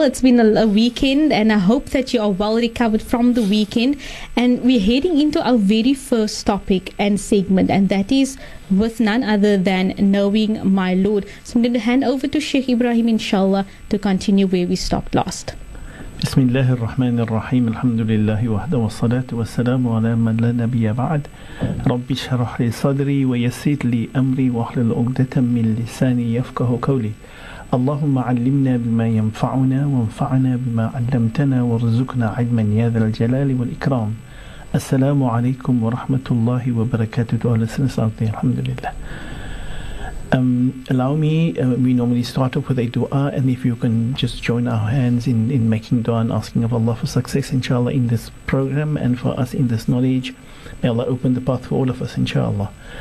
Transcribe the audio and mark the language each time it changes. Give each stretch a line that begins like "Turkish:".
English: It's been a weekend, and I hope that you are well recovered from the weekend. And we're heading into our very first topic and segment, and that is with none other than knowing my Lord. So I'm going to hand over to Sheikh Ebrahim, inshallah, to continue where we stopped last.
Arabic: بسم الله الرحمن الرحيم الحمد لله وحده والصلاة والسلام على من لا نبي بعد ربي اشرح لي صدري ويسر لي أمري واحلل عقدة من لساني يفقه قولي اللهم علمنا بما ينفعنا وانفعنا بما علمتنا وارزقنا علما يا ذا الجلال والإكرام السلام عليكم ورحمة الله وبركاته
English: to all listeners out there.
Arabic: الحمد لله.
English: Allow me, we normally start off with a dua, and if you can just join our hands in making dua and asking of Allah for success, inshallah, in this program and for us in this knowledge. May Allah open the path for all of us, inshallah.